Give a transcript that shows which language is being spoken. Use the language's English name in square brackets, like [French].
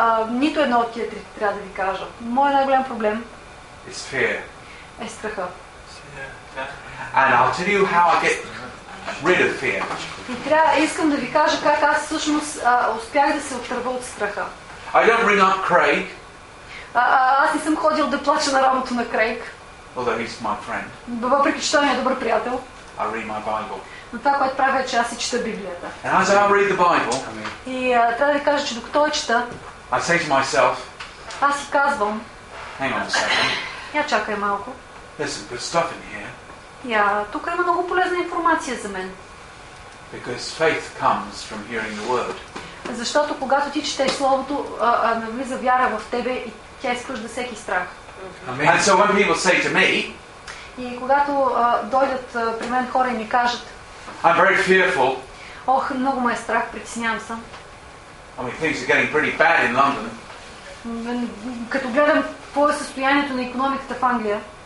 [Bulgarian] Нито едно от тия три трябва да ви кажа. Моя най-голям проблем. [English] Is fear. [Bulgarian] Е страха. [English] And I'll tell you how I get rid of fear. [Bulgarian] Искам да ви кажа как аз всъщност успях да се отърва от страха. [English] I don't bring up Craig. [Bulgarian] Аз не съм ходил да плача на работа на Крейг. [English] Although he's my friend. [Bulgarian] Въпреки че той ми е добър приятел. [English] I read my Bible. [Bulgarian] Но това, което правя, е, че аз си чета Библията. [English] And as I read the Bible, [Bulgarian] и трябва да ви кажа, че докато я чета, [English] I say to myself, [Bulgarian] аз си казвам, [English] hang on a second. [Bulgarian] Я чакай малко. [English] There's some good stuff in here. [Bulgarian] Тук има много полезна информация за мен. [English] Because faith comes from hearing the word. [Bulgarian] Защото когато ти четеш Словото, навлиза вяра в тебе и тя изпъжда всеки страх. [English] Amen. And so when people say to me, [Bulgarian] и когато дойдат при мен хора и ми кажат, [English] I'm very fearful. [Bulgarian] Ох, много ме е страх, притеснявам съм. [English] I mean, things are getting pretty bad in London. [Bulgarian] Като гледам какво е състоянието на икономиката в Англия,